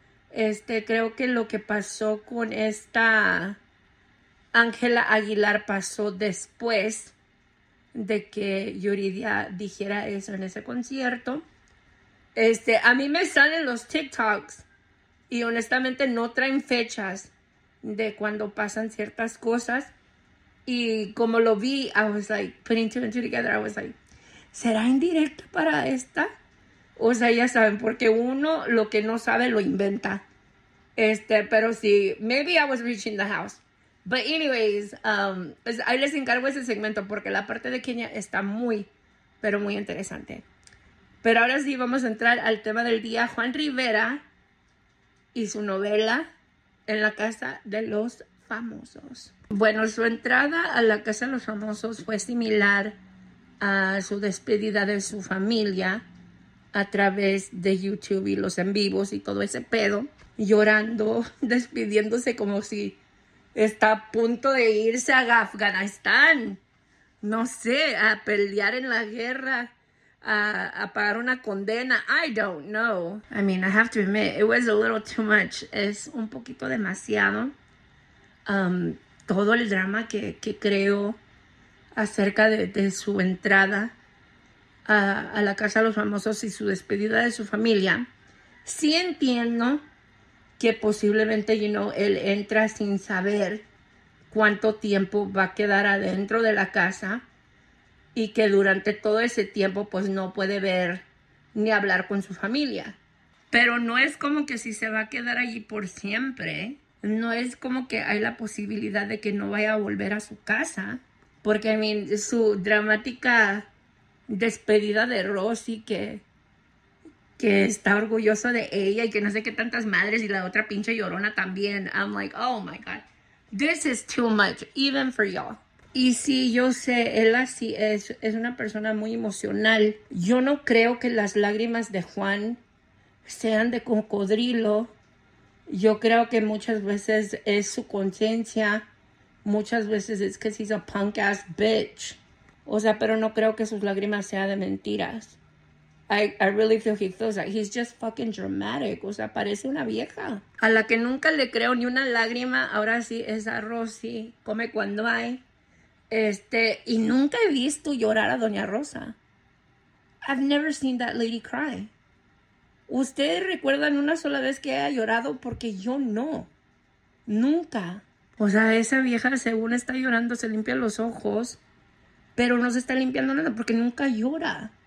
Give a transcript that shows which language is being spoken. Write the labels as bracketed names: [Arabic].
[Spanish] Creo que lo que pasó con esta Ángela Aguilar pasó después de que Yuridia dijera eso en ese concierto. A mí me salen los TikToks y honestamente no traen fechas de cuando pasan ciertas cosas. Y como lo vi, [English] I was like, putting two and two together, I was like, [Spanish] ¿será indirecta para esta? O sea, ya saben, porque uno lo que no sabe lo inventa. Pero sí, [English] maybe I was reaching the house. But anyways, [Spanish] pues ahí les encargo ese segmento porque la parte de Kenia está muy, pero muy interesante. Pero ahora sí, vamos a entrar al tema del día. Juan Rivera y su novela en la Casa de los Famosos. Bueno, su entrada a la Casa de los Famosos fue similar a su despedida de su familia a través de YouTube y los en vivos y todo ese pedo, llorando, despidiéndose como si está a punto de irse a Afganistán, no sé, a pelear en la guerra, a pagar una condena. [English] I don't know. I mean, I have to admit, it was a little too much. [Spanish] Es un poquito demasiado todo el drama que creo acerca de su entrada a la Casa de los Famosos y su despedida de su familia. Sí entiendo que posiblemente, [English] you know, [Spanish] él entra sin saber cuánto tiempo va a quedar adentro de la casa y que durante todo ese tiempo pues no puede ver ni hablar con su familia. Pero no es como que si se va a quedar allí por siempre, no es como que hay la posibilidad de que no vaya a volver a su casa. Porque, [English] I mean, [Spanish] su dramática despedida de Rosy, que está orgulloso de ella y que no sé qué tantas madres, y la otra pinche llorona también. [English] I'm like, oh my God, this is too much, even for y'all. [Spanish] Y sí, yo sé, él así es una persona muy emocional. Yo no creo que las lágrimas de Juan sean de cocodrilo. Yo creo que muchas veces es su conciencia. Muchas veces es que [English] he's a punk ass bitch. [Spanish] O sea, pero no creo que sus lágrimas sean de mentiras. [English] I really feel he feels like he's just fucking dramatic. [Spanish] O sea, parece una vieja. A la que nunca le creo ni una lágrima, ahora sí, es a Rosy. Come cuando hay. Y nunca he visto llorar a Doña Rosa. [English] I've never seen that lady cry. [Spanish] ¿Ustedes recuerdan una sola vez que haya llorado? Porque yo no. Nunca. O sea, esa vieja, según está llorando, se limpia los ojos, pero no se está limpiando nada porque nunca llora.